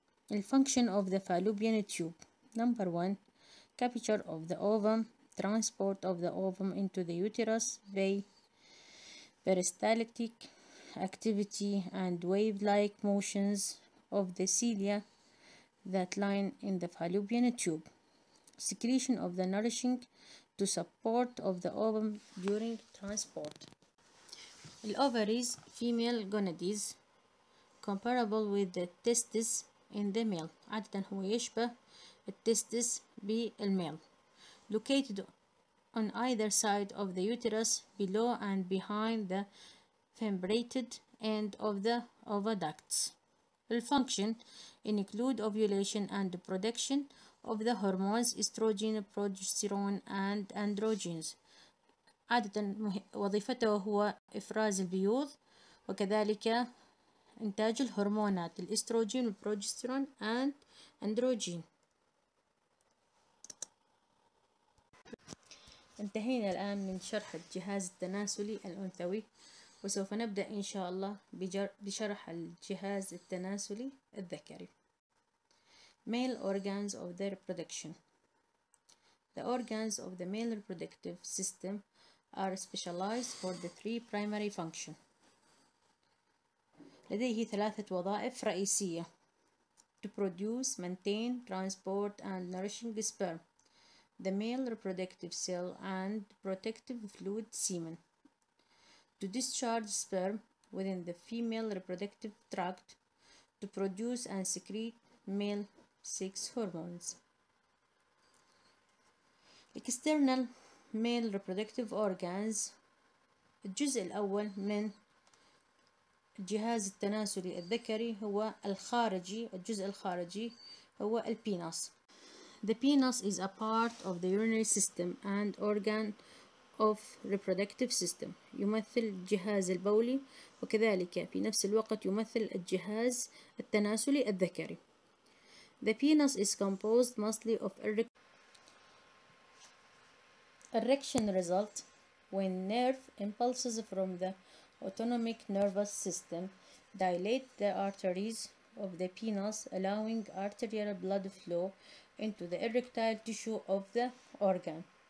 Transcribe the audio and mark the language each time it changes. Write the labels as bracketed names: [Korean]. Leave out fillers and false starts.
[English] الفunction of the fallopian tube. Number one, capture of the ovum, transport of the ovum into the uterus by peristaltic activity and wave-like motions of the cilia that line in the fallopian tube. Secretion of the nourishing to support of the ovum during transport. The ovaries, female gonads, comparable with the testes in the male. [Arabic] عادة هو يشبه التستس بالميل. [English] Located on either side of the uterus, below and behind the fimbriated end of the oviducts. The function include ovulation and production of the hormones estrogen, progesterone and androgens. [Arabic] عادة وظيفته هو إفراز البيوض وكذلك إنتاج الهرمونات الإستروجين والبروجستيرون and أندروجين. انتهينا الآن من شرح الجهاز التناسلي الأنثوي، وسوف نبدأ إن شاء الله بشرح الجهاز التناسلي الذكري. [English] Male organs of the reproduction. The organs of the male reproductive system are specialized for the three primary functions. [Arabic] لديه ثلاثة وظائف رئيسية: [English] to produce, maintain, transport and nourishing sperm, the male reproductive cell and protective fluid semen, to discharge sperm within the female reproductive tract to produce and secrete male sex hormones. External male reproductive organs. [Arabic] الجزء الأول من الجهاز التناسلي الذكري هو الخارجي. الجزء الخارجي هو البينس. [English] The penis is a part of the urinary system and organ of reproductive system. [Arabic] يمثل الجهاز البولي وكذلك في نفس الوقت يمثل الجهاز التناسلي الذكري. [English] The penis is composed mostly of erection result when nerve impulses from the autonomic nervous system dilate the arteries of the penis, allowing arterial blood flow into the erectile tissue of the organ.